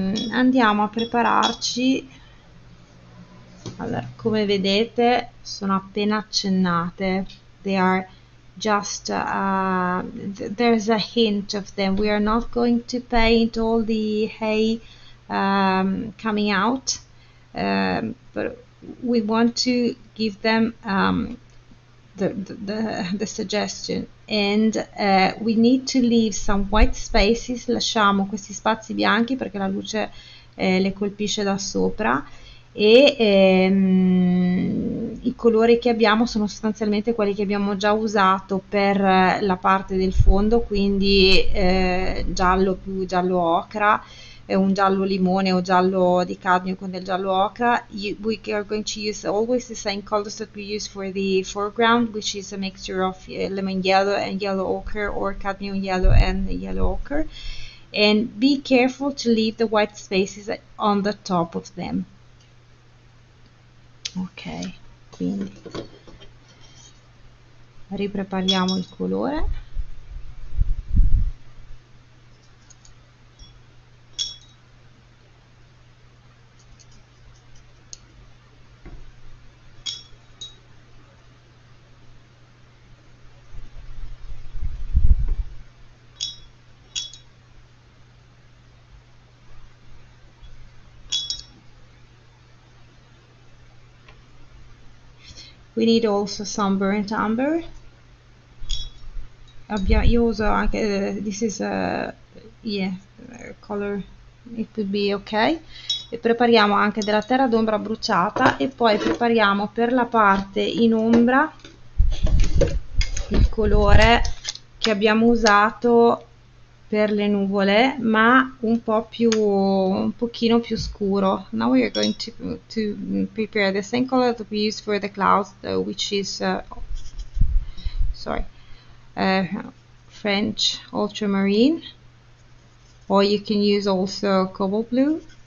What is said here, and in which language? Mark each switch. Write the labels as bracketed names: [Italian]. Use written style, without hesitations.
[Italian] Andiamo a prepararci. Allora, come vedete, sono appena accennate. [English] They are just there's a hint of them. We are not going to paint all the hay coming out, but we want to give them the suggestion. And we need to leave some white spaces. [Italian] Lasciamo questi spazi bianchi perché la luce le colpisce da sopra. E i colori che abbiamo sono sostanzialmente quelli che abbiamo già usato per la parte del fondo, quindi giallo più giallo ocra, un giallo limone o giallo di cadmio con del giallo ocra. [English] We are going to use always the same colors that we use for the foreground, which is a mixture of lemon yellow and yellow ochre, or cadmium yellow and yellow ochre. And be careful to leave the white spaces on the top of them. [Italian] Ok, quindi riprepariamo il colore. [English] We need also some burnt umber. [Italian] Io uso anche, [English] this is a, color, it could be okay. [Italian] E prepariamo anche della terra d'ombra bruciata e poi prepariamo per la parte in ombra il colore che abbiamo usato per le nuvole, ma un pochino più scuro. [English] Now we are going to prepare the same color that we used for the clouds, which is sorry, French ultramarine, or you can use also cobalt blue.